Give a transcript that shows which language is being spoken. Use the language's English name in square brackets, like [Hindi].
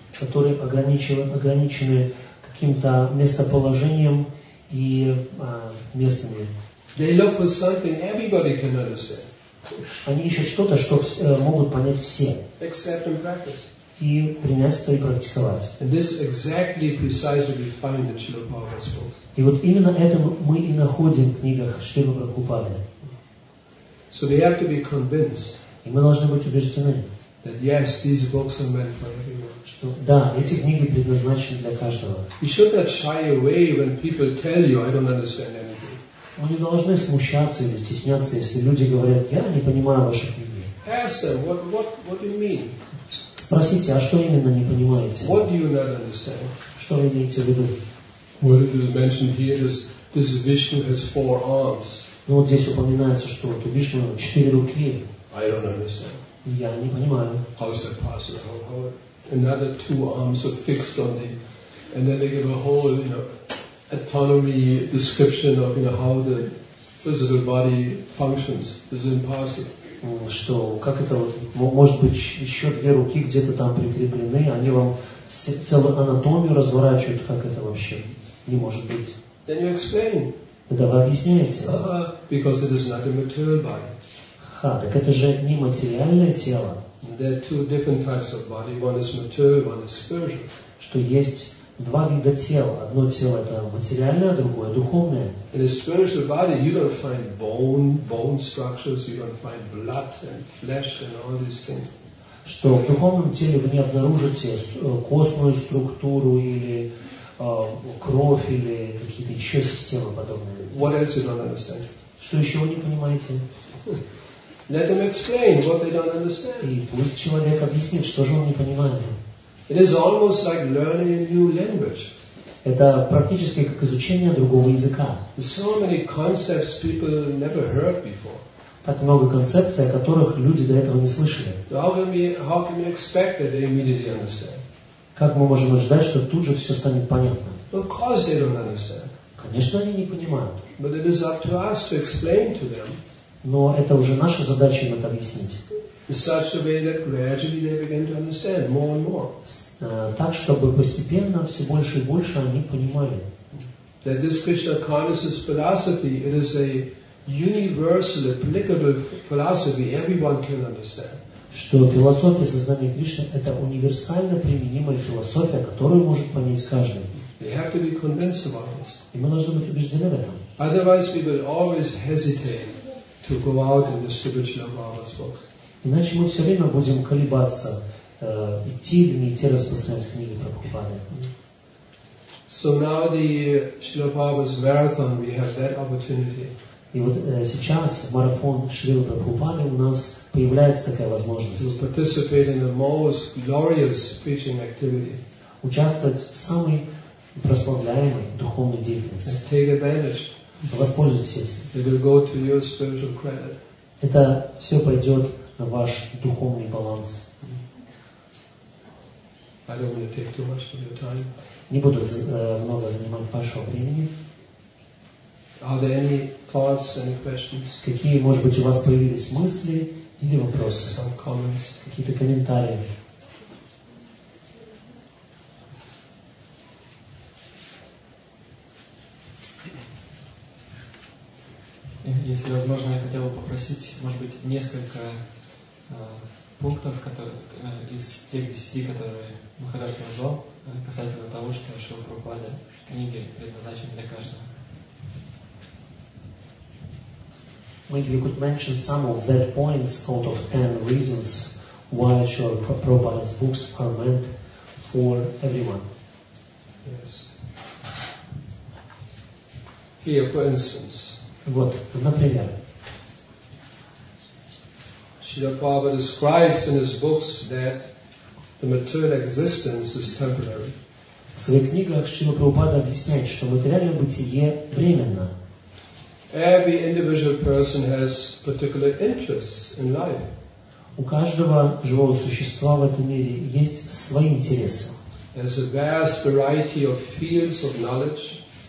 [Russian] Которые ограничены каким-то местоположением и местными. [English] They look for something everybody can understand. [Russian] Они ищут что-то, что могут понять все. [English] Accept and practice. [Russian] И принять это и практиковать. [English] And this exactly precisely we find in Srila Prabhupada's books. [Russian] И вот именно это мы и находим в книгах Шрилы Прабхупады. [English] So we have to be convinced. [Russian] И мы должны быть убеждены, [English] that yes, these books are meant for everyone. [Russian] Что да, эти книги предназначены для каждого. [English] You should not shy away when people tell you, I don't understand anything. [Russian] Мы не должны смущаться или стесняться, если люди говорят, я не понимаю ваши книги. [English] Ask them, what do you mean? [Russian] Спросите, а что именно не понимаете? [English] What do you not understand? [Russian] Что вы имеете в виду? [English] What it is mentioned here is this Vishnu has four arms. [Russian] Ну вот здесь упоминается, что у Вишну четыре руки. [English] I don't understand. [Russian] Я не понимаю. [English] How is that possible? How another two arms are fixed on the, and then they give a whole, you know, autonomy description of, you know, how the physical body functions. This is impossible. [Russian] Что, как это вот, может быть, еще две руки где-то там прикреплены, они вам целую анатомию разворачивают, как это вообще не может быть? [English] Then you explain. [Russian] Тогда вы объясняете. [English] Because it is not a material body. [Russian] А, так это же не материальное тело. [English] There are two different types of body. One is material, one is spiritual. [Russian] Что есть два вида тела. Одно тело это материальное, другое духовное. [English] In a spiritual body, you don't find bone structures, you don't find blood and flesh and all these things. [Russian] Что в духовном теле вы не обнаружите костную структуру или кровь или какие-то еще системы подобные. [English] What else you don't understand? [Russian] Что еще вы не понимаете? [English] Let them explain what they don't understand. [Russian] И пусть человек объяснит, что же он не понимает. [English] It is almost like learning a new language. [Russian] Это практически как изучение другого языка. [English] So many concepts people never heard before. [Russian] Так много концепций, о которых люди до этого не слышали. [English] How can we expect that they immediately understand? [Russian] Как мы можем ожидать, что тут же все станет понятно? [English] Of course they don't understand. [Russian] Конечно, они не понимают. [English] But it is up to us to explain to them. [Russian] Но это уже наша задача им это объяснить. [English] Such a way that gradually they begin to understand more and more. [Russian] Так, чтобы постепенно все больше и больше они понимали. [English] That this Krishna consciousness philosophy, it is a universal, applicable philosophy everyone can understand. [Russian] Что философия сознания Кришны – это универсально применимая философия, которую может понять каждый. [English] We have to be convinced about this. [Russian] И мы должны быть убеждены в этом. [English] Otherwise we will always hesitate to go out and distribute Srila Prabhupada's books. [Russian] Иначе мы все время будем колебаться, идти или не идти распространять книги Прабхупады. [English] So now the Srila Prabhupada's marathon, we have that opportunity. [Russian] И вот сейчас марафон Шрилы Прабхупады у нас появляется такая возможность. [English] To participate in the most glorious preaching activity. [Russian] Участвовать в самой прославляемой духовной деятельности. [English] And take advantage. [Russian] Воспользуйтесь этим. [English] It will go to your spiritual credit. [Russian] Это все пойдет на ваш духовный баланс. [English] I don't want to take too much of your time. [Russian] Не буду много занимать вашего времени. [English] Are there any thoughts, any questions? [Russian] Какие, может быть, у вас появились мысли или вопросы? [English] Some comments. [Russian] Какие-то комментарии? Если возможно, я хотел бы попросить, может быть, несколько пунктов, которые из тех 10, которые Махарадж назвал, касательно того, что Шрила Прабхупада в книге предназначен для каждого. [English] Maybe you could mention some of that points out of 10 reasons why Srila Prabhupada's books are meant for everyone. Yes. Here, for instance. [Russian] Вот, например. [English] Srila Prabhupada describes in his books that the material existence is temporary. [Russian] В своих книгах Шрила Прабхупада объясняет, что материальное бытие временно. [English] Every individual person has particular interests in life. [Russian] У каждого живого существа в этом мире есть свои интересы. [English] There's a vast variety of fields of knowledge.